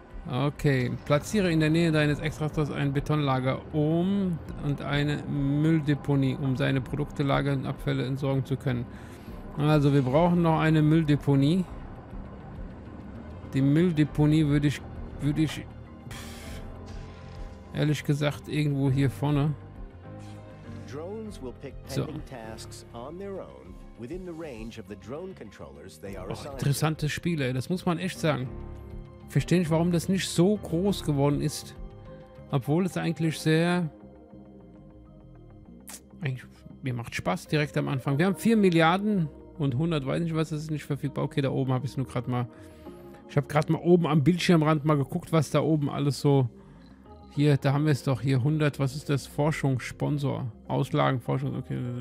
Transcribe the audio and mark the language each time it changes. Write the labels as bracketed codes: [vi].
[de] Okay. Platziere in der Nähe deines Extraktors ein Betonlager um und eine Mülldeponie, um seine Produkte lagern und Abfälle entsorgen zu können. Also, wir brauchen noch eine Mülldeponie. Die Mülldeponie würde ich ehrlich gesagt irgendwo hier vorne. [en] Drones will pick pending tasks on their own within the range of the drone controllers they are assigned. [de] Interessantes Spiel, ey, das muss man echt sagen. Verstehe nicht, warum das nicht so groß geworden ist, obwohl es eigentlich sehr, eigentlich, mir macht Spaß direkt am Anfang. Wir haben 4 Milliarden und 100, weiß nicht was, das ist nicht verfügbar. Okay, da oben habe ich es nur gerade mal, ich habe gerade mal oben am Bildschirmrand mal geguckt, was da oben alles so, hier, da haben wir es doch, hier 100, was ist das, Forschungssponsor, Auslagen, Forschung, okay,